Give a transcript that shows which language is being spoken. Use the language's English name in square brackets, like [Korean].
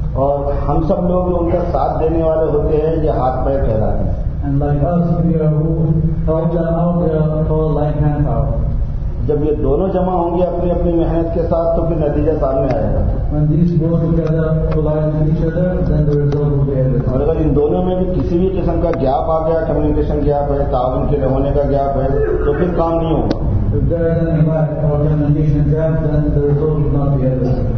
[Urdu] اور ہم سب لوگ جو ان کا ساتھ دینے والے ہوتے ہیں یہ ہاتھ پیر کہلاتے ہیں. [English] And like us, we are who help them out, they are called like hand power. [Urdu] جب یہ دونوں جمع ہوں گے اپنی اپنی محنت کے ساتھ تو پھر نتیجہ سامنے آئے گا. اور اگر ان دونوں میں بھی کسی بھی قسم کا گیپ آ گیا, کمیونیکیشن گیپ ہے, تعاون کے ہونے کا گیپ ہے, تو پھر کام نہیں ہوگا.